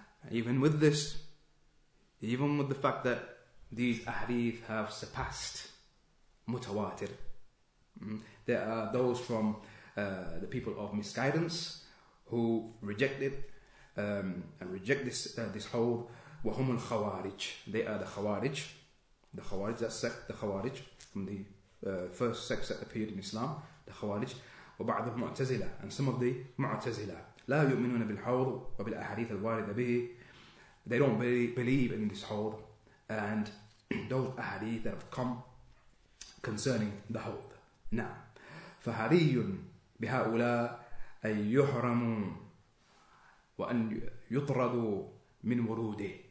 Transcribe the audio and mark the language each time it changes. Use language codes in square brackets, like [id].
[en] Even with this, even with the fact that these ahadith have surpassed mutawatir, there are those from the people of misguidance who reject it, and reject this whole [ar] وهم الخوارج. [en] They are the Khawarij, that sect, the Khawarij from the first sect that appeared in Islam, the Khawarij. [ar] وبعض المعتزلة, [en] and some of the [ar] معتزلة. لا يؤمنون بالحوض وبالأحاديث الواردة به. [en] They don't believe in this hold and those ahadith that have come concerning the hold. [ar] نعم. فحري بهؤلاء أن يحرموا وأن يطردوا من وروده.